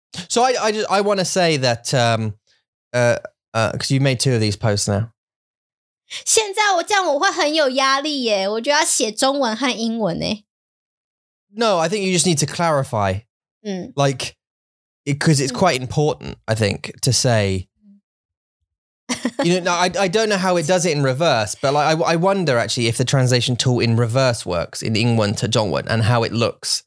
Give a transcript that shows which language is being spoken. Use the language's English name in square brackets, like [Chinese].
[English] So I want to say that, because you made two of these posts now. [Chinese] 现在我这样我会很有压力耶，我就要写中文和英文耶。 [English] No, I think you just need to clarify. Like, because it's quite important, I think, to say, you know, I don't know how it does it in reverse, but like, I wonder actually if the translation tool in reverse works in 英文 to 中文 and how it looks.